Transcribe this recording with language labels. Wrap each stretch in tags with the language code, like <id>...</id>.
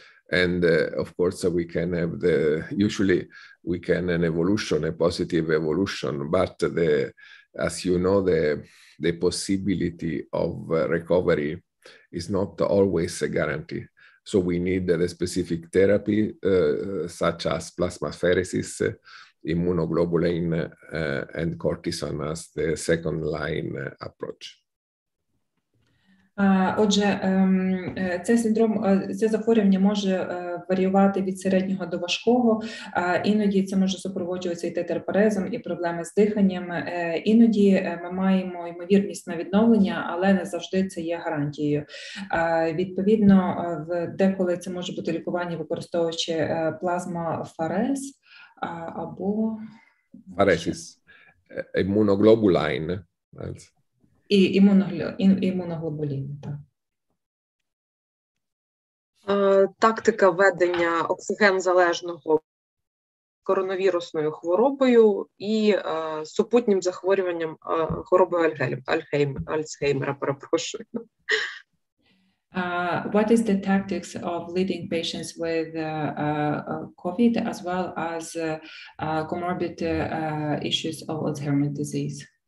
<en>And of course, we can have an positive evolution, but the possibility of recovery is not always a guarantee. So we need the specific therapy, such as plasmapheresis, immunoglobulin, and cortisone as the second line approach.</en> <uk>Отже, цей синдром, це захворювання може варіювати від середнього до важкого. Іноді це може супроводжуватися і тетерапарезом, і проблеми з диханням. Іноді ми маємо ймовірність на відновлення, але не завжди це є гарантією. Відповідно, деколи це може бути лікування, використовуючи плазмафорез або... Фаресіс. Імуноглобулін. І імуноглобулін, тактика введення оксигензалежного коронавірусною хворобою і супутнім захворюванням хворобою Альцгеймера, перепрошую.</uk> <en>What is the tactics of leading patients with COVID as well as comorbid issues of Alzheimer's disease?</en>